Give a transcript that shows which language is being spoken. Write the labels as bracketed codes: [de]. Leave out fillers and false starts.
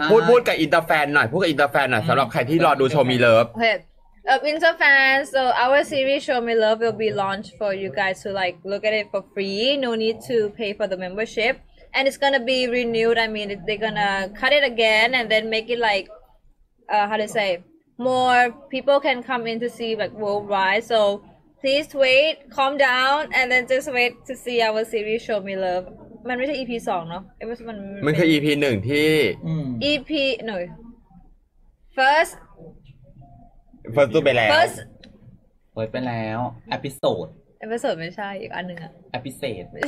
[th] พูดกับอินเตอร์แฟนหน่อยพูดกับอินเตอร์แฟนหน่อยสำหรับใครที่รอดูโชว์มีเลิฟ [en] Interfans, so our series Show Me Love will be launched for you guys to like look at it for free. No need to pay for the membership. And it's gonna be renewed. I mean, they're gonna cut it again and then make it like, how to say, more people can come in to see like worldwide. So please wait, calm down, and then just wait to see our series Show Me Love. [th] มันไม่ใช่ EP 2เนาะ [en] It was one. [th] มันคือ EP 1ที่ [en] EP no. First [th] ไปแล้ว [en] First [th] ไปแล้ว Episode เอพิโซดไม่ใช่อีกอันนึงอะ เอพิเซด